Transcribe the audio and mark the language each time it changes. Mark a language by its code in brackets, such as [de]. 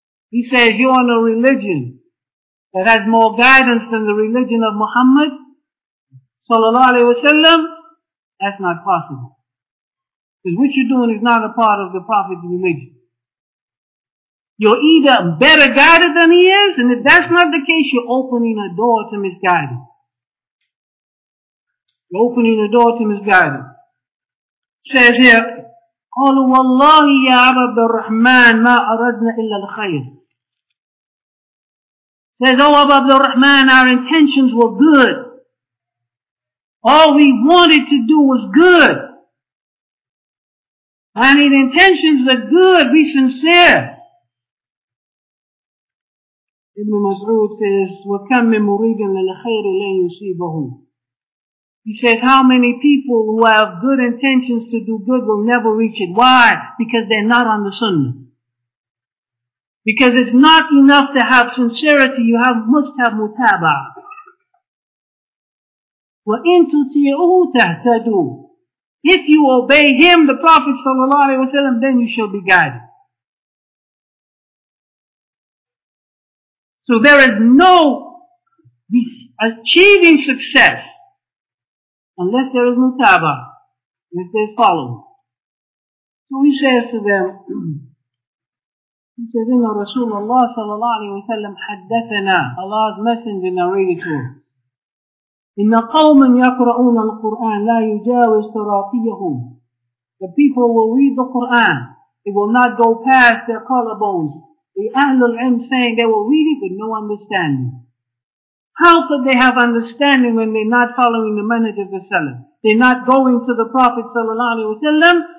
[en] He says, you're on a religion that has more guidance than the religion of Muhammad sallallahu alayhi wa sallam. That's not possible. Because what you're doing is not a part of the Prophet's religion. You're either better guided than he is, and if that's not the case, you're opening a door to misguidance. You're opening a door to misguidance. It says here, [ar] قَالُوا وَاللَّهِ يَا عَبَدَ الرَّحْمَنِ مَا أَرَدْنَا إِلَّا الْخَيْرِ. [en] Says, O Abu Abdul Rahman, our intentions were good. All we wanted to do was good. I mean, intentions are good. Be sincere. Ibn Mas'ud says, [ar] وَكَمْ مِنْ مُرِيدٍ لِلْخَيْرِ لَنْ يُصِيبَهُ. [en] He says, how many people who have good intentions to do good will never reach it? Why? Because they're not on the Sunnah. Because it's not enough to have sincerity, you must have mutaba. [ar] وَإِن تُطِعُوهُ تَهْتَدُوا. [en] If you obey him, the Prophet sallallahu alayhi wa sallam, then you shall be guided. So there is no achieving success unless there is mutaba, unless there is following. So he says to them, [ar] سيدنا رسول الله صلى الله عليه وسلم حدثنا الله [en] 's messenger narrated to us [ar] إن قوما يقرؤون القرآن لا يجاوز تراقيهم. [en] The people will read the Quran, it will not go past their collarbones. The أهل العلم saying they will read it with no understanding. How could they have understanding when they're not following the manhaj of the Salaf? They're not going to the Prophet صلى الله عليه وسلم